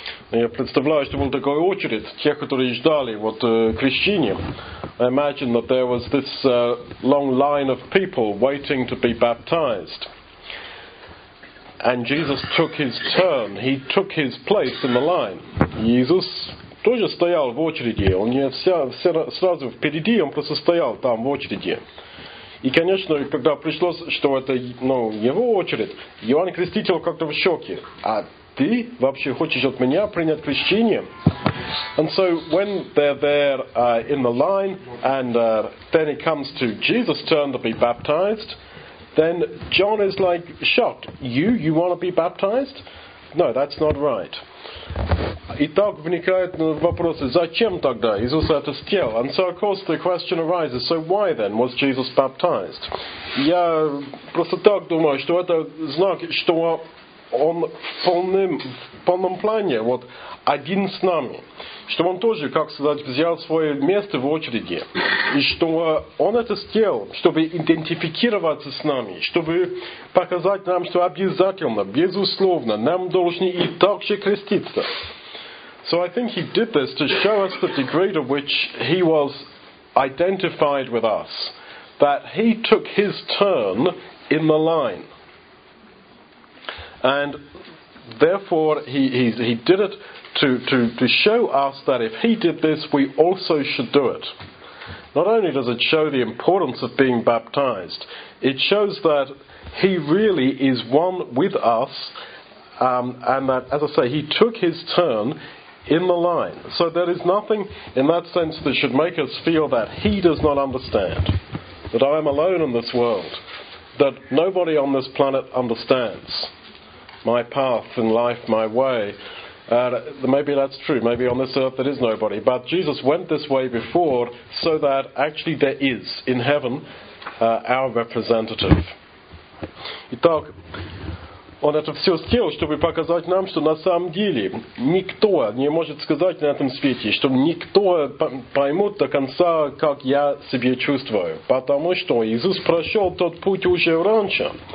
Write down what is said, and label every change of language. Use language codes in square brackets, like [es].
[ru] Я представляю, что был такой очередь, те, которые ждали вот крещения. [en] I imagine that there was this long line of people waiting to be baptized. And Jesus took his turn. He took his place in the line. [ru] Jesus тоже стоял в очереди. Он не сразу впереди, он просто стоял там в очереди. И, конечно, когда пришлось, что это, ну, его очередь, Иоанн Креститель как-то в шоке. А ты вообще хочешь от меня принять крещение? [en] And so when they're there in the line, and then it comes to Jesus' turn to be baptized, then John is like shocked. You want to be baptized? No, that's not right. [ru] И так вникает вопрос, зачем тогда Иисус это сделал? [en] And so, of course, the question arises, so why then was Jesus baptized? [ru] Я просто так думаю, что это знак, что он в полном плане, вот, один с нами. Что он тоже, как сказать, взял свое место в очереди. И что он это сделал, чтобы идентифицироваться с нами, чтобы показать нам, что обязательно, безусловно, нам должны и так же креститься. [en] So I think he did this to show us the degree to which he was identified with us, that he took his turn in the line. And therefore he did it to show us that if he did this, we also should do it. Not only does it show the importance of being baptized, it shows that he really is one with us, and that, as I say, he took his turn in the line. So there is nothing in that sense that should make us feel that he does not understand, that I am alone in this world, that nobody on this planet understands my path in life, my way. Maybe that's true, maybe on this earth there is nobody, but Jesus went this way before so that actually there is in heaven our representative. [ru] Итак, он это все сделал, чтобы показать нам, что на самом деле никто не может сказать на этом свете, что никто поймет до конца, как я себя чувствую. Потому что Иисус прошел тот путь уже раньше.